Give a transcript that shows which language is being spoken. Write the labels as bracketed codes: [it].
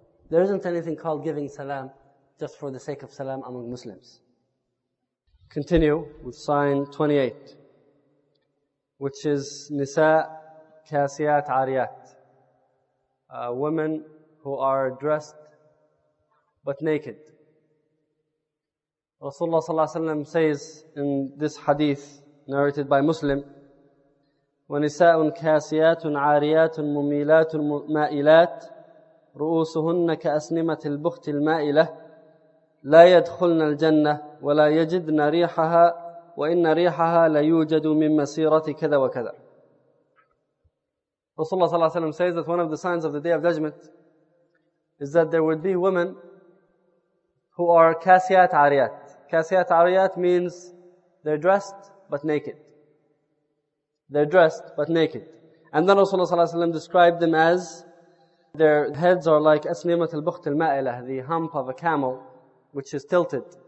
[en] There isn't anything called giving salam just for the sake of salam among Muslims. Continue with sign 28, which is Nisa Kasiyat Ariyat. Women who are dressed but naked. Rasulullah sallallahu alayhi wa sallam says in this hadith narrated by Muslim, [ar] وَنِسَاءٌ كَاسِيَاتٌ عَارِيَاتٌ مُمِيلَاتٌ مَائِلَاتٌ رُؤُوسُهُنَّ كَأَسْنِمَةِ الْبُخْتِ الْمَائِلَةِ لا يدخلن الجنة ولا يجدن ريحها وإن ريحها لا يوجد من مسيرة كذا وكذا. [en] Rasulullah sallallahu alayhi wa sallam says that one of the signs of the Day of Judgment is that there would be women who are kasiyat ariyat. Kasiyat ariyat means they're dressed but naked. They're dressed but naked. And then Rasulullah sallallahu alayhi wa sallam described them as their heads are like asnimat al-bukht al-ma'ilah, the hump of a camel, which is tilted.